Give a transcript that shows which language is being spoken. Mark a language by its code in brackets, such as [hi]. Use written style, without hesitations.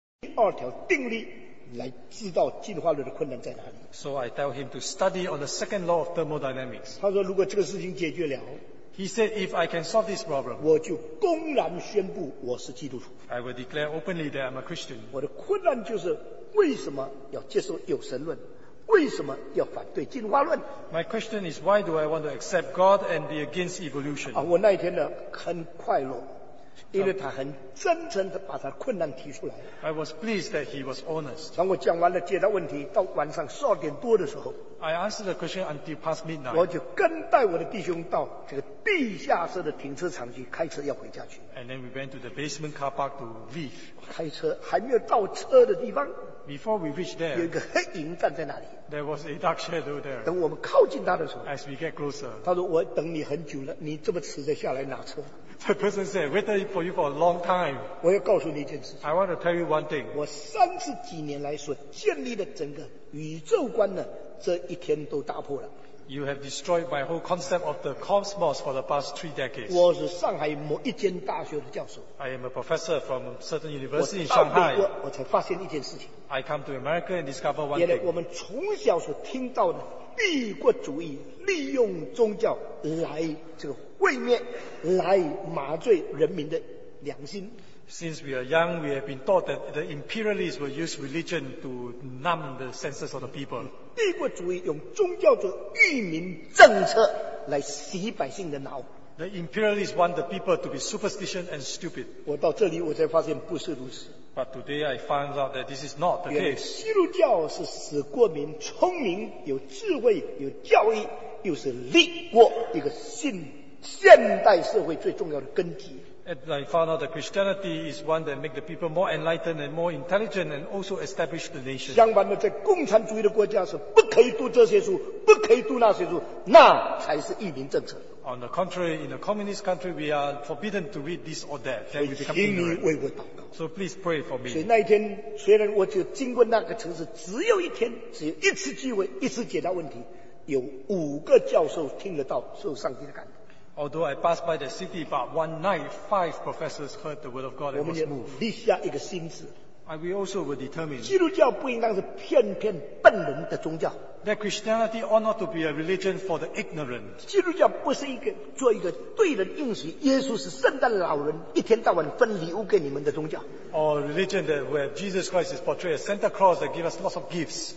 [zh] 第二条定律来知道进化论的困难在哪里。 [en] So I tell him to study on the second law of thermodynamics. [zh] 他说如果这个事情解决了， [en] He said if I can solve this problem, [zh] 我就公然宣布我是基督徒。 [en] I will declare openly that I'm a Christian. [zh] 我的困难就是为什么要接受有神论，为什么要反对进化论。 [en] My question is why do I want to accept God and be against evolution? [zh] 我那一天呢很快乐，因为他很真诚地把他的困难提出来。 [en] I was pleased that he was honest. [zh] 当我讲完了解答问题，到晚上十二点多的时候， [en] I answered the question until past midnight. [zh] 我就跟带我的弟兄到这个地下室的停车场去开车要回家去。 [en] And then we went to the basement car park to leave. [zh] 开车还没有到车的地方， [en] Before we reached there, [zh] 有一个黑影站在那里。 [en] There was a dark shadow there. [zh] 等我们靠近他的时候， [en] As we get closer, [zh] 他说我等你很久了，你这么迟才下来拿车。 [en] The person said, waited for you for a long time. [zh] 我要告诉你一件事。 [en] I want to tell you one thing. [zh] 我三十几年来所建立的整个宇宙观呢，这一天都打破了。 [en] You have destroyed my whole concept of the cosmos for the past three decades. [zh] 我是上海某一间大学的教授。 [en] I am a professor from a certain university in Shanghai. [zh] 我才发现一件事情。 [en] I come to America and discover one thing. [zh] 原来我们从小所听到的帝国主义利用宗教来这个卫冕，来麻醉人民的良心。 [en] Since we are young, we have been taught that the imperialists will use religion to numb the senses of the people. [zh] 帝国主义用宗教做愚民政策来洗百姓的脑。 [en] The imperialists want the people to be superstition and stupid. [zh] 我到这里我才发现不是如此。 [en] But today I found out that this is not the case. [zh] 基督教是使国民聪明、有智慧、有教义，又是立国一个信现代社会最重要的根基。 [en] And I found out that Christianity is one that makes the people more enlightened and more intelligent and also establish the nation. [zh] 相反的，在共产主义的国家是不可以读这些书，不可以读那些书，那才是愚民政策。 [en] On the contrary, in a communist country, we are forbidden to read this or that. [zh] 请你为我祷告。 [en] So please pray for me. [zh] 所以那一天，虽然我就经过那个城市，只有一天，只有一次机会，一次解答问题，有五个教授听得到，受上帝的感动。 [en] Although I passed by the city, but one night, five professors heard the word of God and was moved. [zh] 我们也立下一个心志。 [en] We also were determined. [zh] 基督教不应当是骗骗笨人的宗教。 [en] That Christianity ought not to be a religion for the ignorant. [zh] 基督教不是一个做一个对人应许，耶稣是圣诞老人，一天到晚分礼物给你们的宗教。 [en] Or religion that where Jesus Christ is portrayed as Santa Claus that gives us lots of gifts.